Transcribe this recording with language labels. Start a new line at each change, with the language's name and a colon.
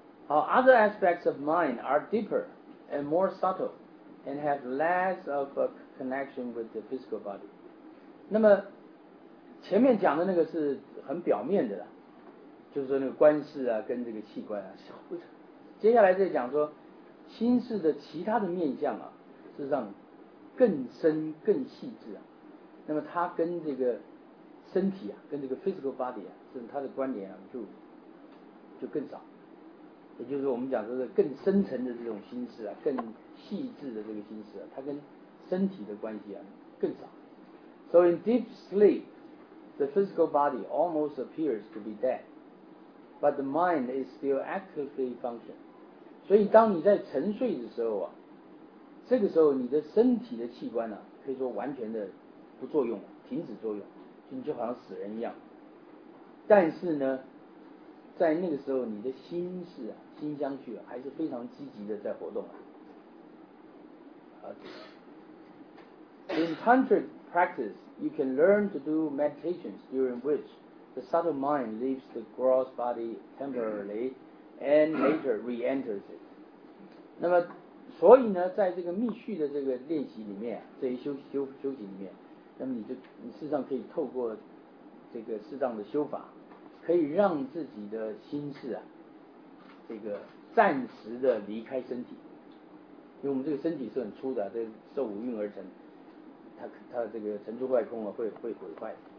English: Other aspects of mind are deeper and more subtle and have less of a connection with the physical body.
Chinese: 那么前面讲的那个是很表面的啦，就是说那个观视啊跟这个器官啊，接下来再讲说心事的其他的面向啊，事实上更深更细致啊。那么它跟这个身体啊，跟这个
English: physical body
Chinese: 啊，是它的关联啊，就更少。也就是我们讲的是更深层的这种心思啊，更细致的这个心思啊，它跟身体的关系啊更少。
English: So in deep sleep, the physical body almost appears to be dead, but the mind is still actively functioning.
Chinese: 所以当你在沉睡的时候啊，这个时候你的身体的器官啊，可以说完全的不作用，停止作用，就你就好像死人一样。但是呢，在那个时候你的心事啊，心相绪啊，还是非常积极的在活动啊。
English: In tantric practice, you can learn to do meditations during which the subtle mind leaves the gross body temporarily and later re-enters it.
Chinese: 那么所以呢，在这个密续的这个练习里面、啊、这些修行里面，那么你事实上可以透过这个适当的修法，可以让自己的心事啊，这个暂时的离开身体，因为我们这个身体是很粗的，这受五蕴而成，它这个尘出坏空啊，会毁坏。